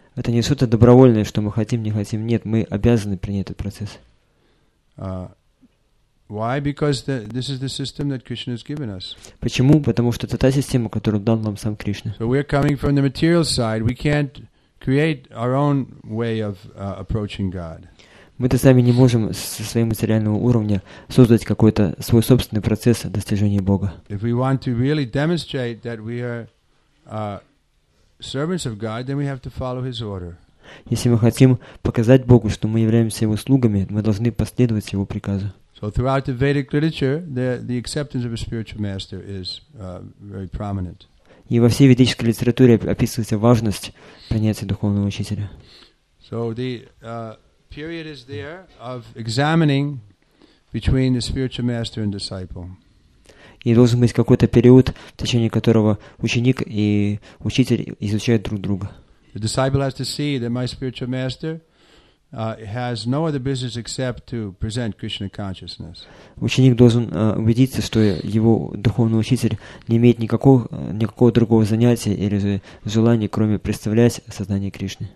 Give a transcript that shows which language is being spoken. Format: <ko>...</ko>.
<ru>Это не что-то добровольное, что мы хотим, не хотим. Нет, мы обязаны принять этот процесс.</ru> <en>Why? Because this is the system that Krishna has given us.</en> <ru>Почему? Потому что это та система, которую дал нам сам Кришна.</ru> <en>So we're coming from the material side. We can't create our own way of approaching God.</en> <ru>Мы-то сами не можем со своего материального уровня создать какой-то свой собственный процесс достижения Бога.</ru> <en>If we want to really demonstrate that we are servants of God, then we have to follow His order.</en> <ru>Если мы хотим показать Богу, что мы являемся Его слугами, мы должны последовать Его приказу.</ru> <en>So throughout the Vedic literature, the acceptance of a spiritual master is very prominent.</en> <ru>И во всей ведической литературе описывается важность принятия духовного учителя.</ru> <en>So the period is there of examining between the spiritual master and disciple.</en> <ru>И должен быть какой-то период, в течение которого ученик и учитель изучают друг друга.</ru> <en>The disciple has to see that my spiritual master has no other business except to present Krishna consciousness.</en> <ru>Ученик должен убедиться, что его духовный учитель не имеет никакого другого занятия или желания, кроме представлять сознание Кришны.</ru>